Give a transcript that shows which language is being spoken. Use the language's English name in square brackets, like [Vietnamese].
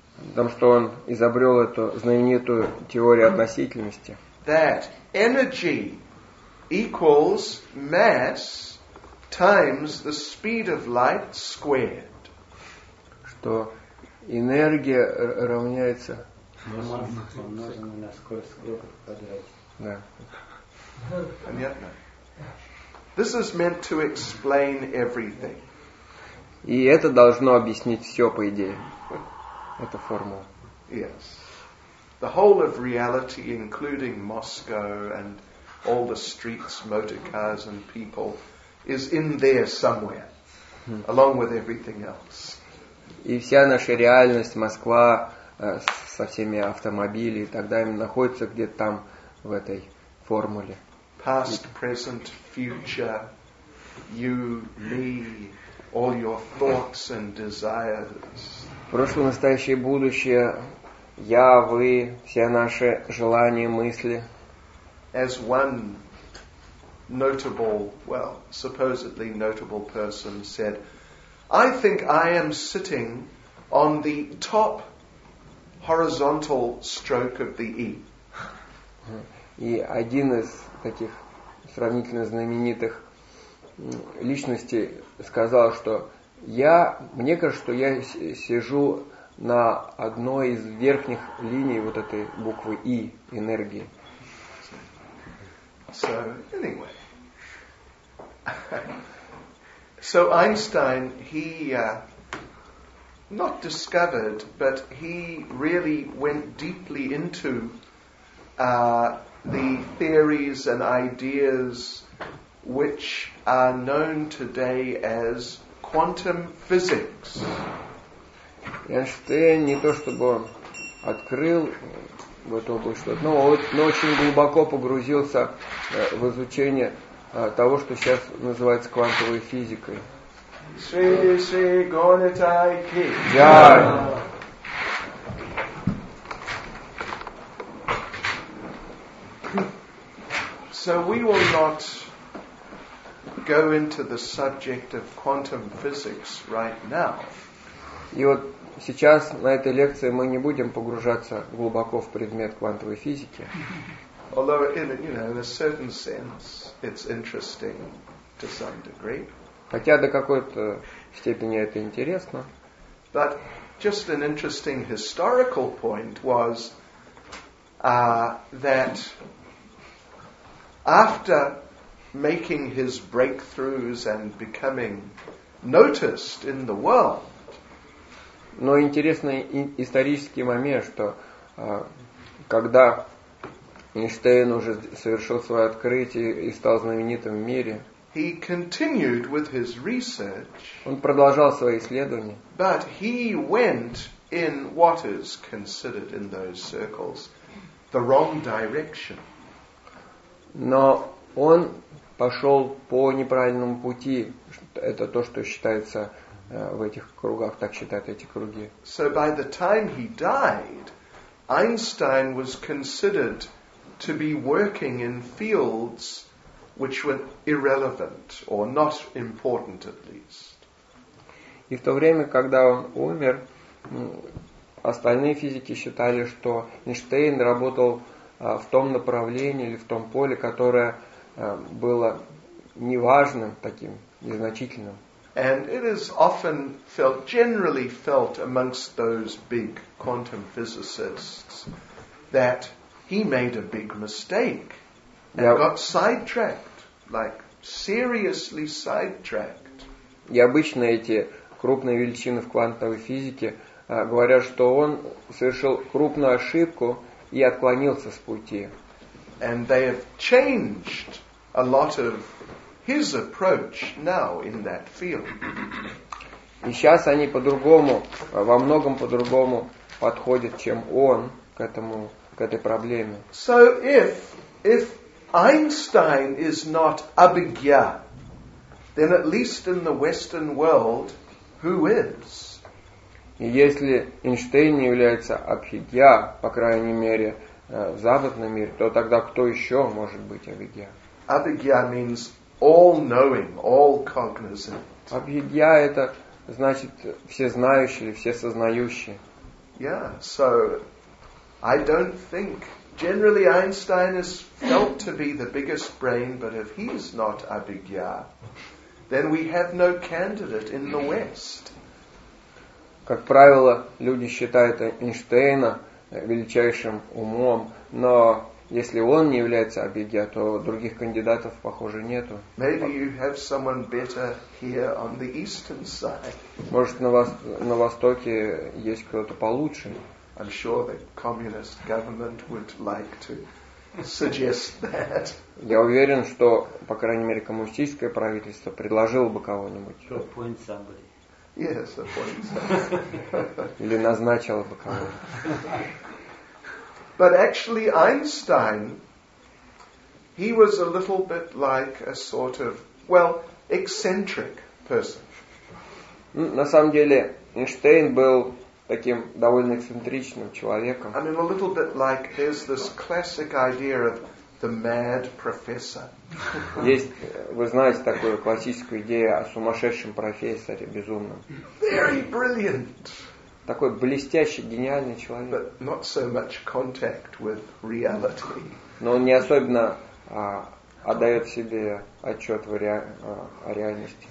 [Russian] Потому что он изобрел эту знаменитую теорию относительности. [English] That energy equals mass times the speed of light squared. [Russian] Что энергия равняется Помножено на скорость крока в квадрате. Да. Понятно. [English] This is meant to explain everything. [Russian] И это должно объяснить все, по идее. Эта формула. [English] Yes. The whole of reality, including Moscow and all the streets, motor cars and people, is in there somewhere, along with everything else. [Russian] И вся наша реальность, Москва, со всеми автомобилями и так далее, находится где-то там, в этой формуле. [English] Past, present, future, you, me, all your thoughts and desires. [Russian] Прошлое, настоящее, будущее, я, вы, все наши желания, мысли. [English] As one notable, well, supposedly notable person said, I think I am sitting on the top horizontal stroke of the E. [Russian] И один из таких сравнительно знаменитых личностей сказал, что мне кажется, что я сижу на одной из верхних линий вот этой буквы И, энергии. [English] So, anyway. So, Einstein, he not discovered, but he really went deeply into the theories and ideas which are known today as quantum physics. [Russian] Эйнштейн не то чтобы он открыл в эту область, но очень глубоко погрузился в изучение того, что сейчас называется квантовой физикой. Шри-ши гонитайки. Джай. [English] So we will not go into the subject of quantum physics right now. [Russian] И вот сейчас на этой лекции мы не будем погружаться глубоко в предмет квантовой физики. [English] Although in a certain sense it's interesting to some degree. [Russian] Хотя до какой-то степени это интересно. [English] But just an interesting historical point was that after making his breakthroughs and becoming noticed in the world. [Russian] Но интересный исторический момент, что когда Эйнштейн уже совершил свое открытие и стал знаменитым в мире, [English] he continued with his research. [Russian] Он продолжал свои исследования. [English] But he went in what is considered in those circles the wrong direction. [Russian] Но он пошел по неправильному пути. Это то, что считается в этих кругах, так считают эти круги. [English] So by the time he died, Einstein was considered to be working in fields which were irrelevant or not important at least. [Russian] И в то время, когда он умер, остальные физики считали, что Эйнштейн работал в том направлении или в том поле, которое было неважным таким, незначительным. [English] And it is often felt, generally felt amongst those big quantum physicists that he made a big mistake and got sidetracked, like seriously sidetracked. [Russian] И обычно эти крупные величины в квантовой физике говорят, что он совершил крупную ошибку и отклонился с пути. [English] And they have changed a lot of his approach now in that field. [Russian] И сейчас они по-другому, во многом по-другому подходят, чем он к этому, к этой проблеме. [English] So if Einstein is not Abhigya, then at least in the Western world, who is? [Russian] И если Эйнштейн не является Абхидья, по крайней мере, в западном мире, то тогда кто еще может быть Абхидья? [English] Абхидья means all-knowing, all-cognizant. [Russian] Абхидья – это значит всезнающий или всесознающий. [English] Yeah, so I don't think... Generally, Einstein is felt to be the biggest brain, but if he's not Abhigya, then we have no candidate in the West. [Russian] Как правило, люди считают Эйнштейна величайшим умом, но если он не является Абхигья, то других кандидатов, похоже, нету. [English] Maybe you have someone better here on the eastern side. [Russian] Может, на востоке есть кто-то получше. [English] I'm sure the communist government would like to suggest that. [Russian] Я уверен, что, по крайней мере, коммунистическое правительство предложило бы кого-нибудь. [English] Appoint somebody. Yes, appoint somebody. [Russian] Или назначило бы кого-нибудь. [English] But actually, Einstein, he was a little bit like a sort of, well, eccentric person. [Russian] На самом деле, Эйнштейн был таким довольно эксцентричным человеком. [English] I mean, a little bit like, there's this classic idea of the mad professor. [Russian] Есть, вы знаете, такую классическую идею о сумасшедшем профессоре, безумном. [English] Very brilliant. [Russian] Такой блестящий, гениальный человек. [English] But not so much contact with reality. [Russian] Но он не особенно отдает себе отчет в о реальности.